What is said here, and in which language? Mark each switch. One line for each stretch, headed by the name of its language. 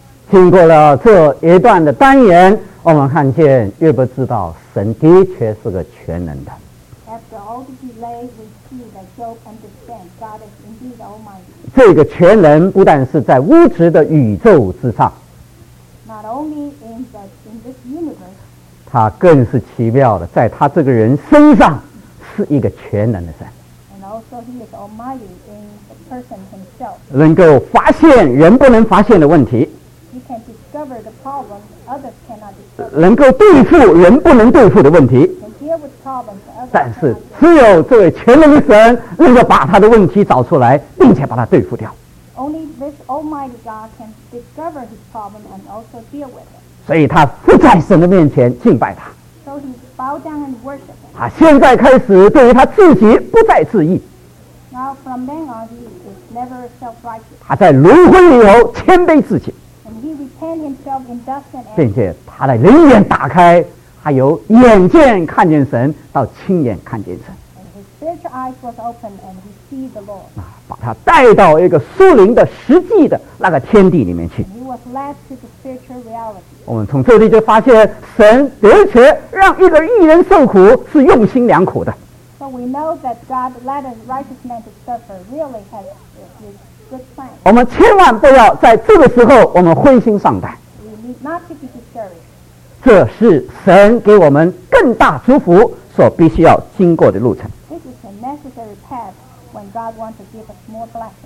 Chinese: 经过了这一段的单言，我们看见约伯知道神的确是个全能的。
English: After all the delay, we see that Job understands God is indeed Almighty.
Chinese: 这个全能不但是在物质的宇宙之上
English: ，Not only in this universe，
Chinese: 他更是奇妙的，在他这个人身上是一个全能的神。
English: Also, he is Almighty in the person himself.
Chinese: 能够发现人不能发现的问题。
English: He can discover the problems others cannot discover.
Chinese: 能够对付人不能对付的问题。
English: And deal with problems others cannot.
Chinese: 但是只有这位全能的神能够把他的问题找出来，并且把他对付掉。
English: Only this Almighty God can discover his problem and also deal with it.
Chinese: 所以他伏在神的面前敬拜他。
English: So he bowed down and worshiped.
Chinese: 他现在开始对于他自己不再自义。
English: Now from then on, he is never self-righteous.
Chinese: 他在炉灰里头谦卑自己。
English: And he repented himself in dust and ashes.
Chinese: 并且他的灵眼打开，他由眼见看见神到亲眼看见神。
English: And his spiritual eyes was open and he see the Lord.
Chinese: 把他带到一个属灵的实际的那个天地里面去。
English: And he was led to the spiritual reality.
Chinese: 我们从这里就发现神的确让一个义人受苦是用心良苦的。
English: So we know that God led a righteous man to suffer really has a good plan.
Chinese: 我们千万不要在这个时候我们灰心丧胆。
English: We need not to be discouraged.
Chinese: 这是神给我们更大祝福所必须要经过的路程。
English: This is a necessary path when God wants to give us more blessings.